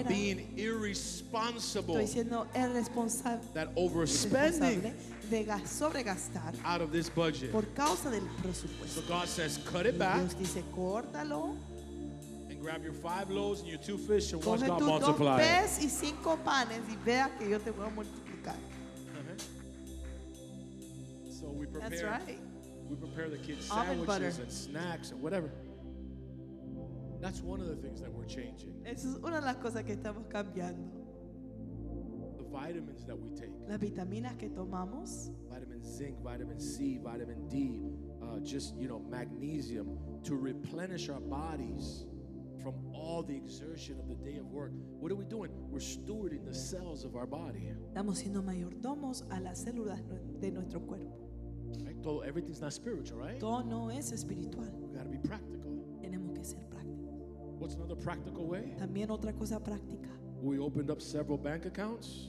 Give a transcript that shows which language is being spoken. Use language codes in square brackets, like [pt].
[en] I'm being irresponsible. [es] Estoy siendo irresponsable. [en] That overspending. [es] De sobregastar [en] out of this budget. [es] Por causa del presupuesto. [en] So God says, cut it back. [es] Dios dice, córtalo. [en] And grab your 5 loaves and your 2 fish and watch God multiply. [es] Coge tus 2 peces y 5 panes y vea que yo te voy a multiplicar. [en] So we prepare. That's right. We prepare the kids' sandwiches and snacks and whatever. That's one of the things that we're changing. [es] Esa es una de las cosas que estamos cambiando. [en] Vitamins that we take. [es] Las vitaminas que tomamos. [en] Vitamin zinc, vitamin C, vitamin D, just, you know, magnesium to replenish our bodies from all the exertion of the day of work. What are we doing? We're stewarding the cells of our body. [es] Estamos siendo mayordomos a las células de nuestro cuerpo. [en] Right? [es] Todo, [en] everything's not spiritual, right? [es] Todo no es espiritual. [en] We gotta be practical. [es] Tenemos que ser prácticos. [en] What's another practical way? [es] También otra cosa práctica. [en] We opened up several bank accounts.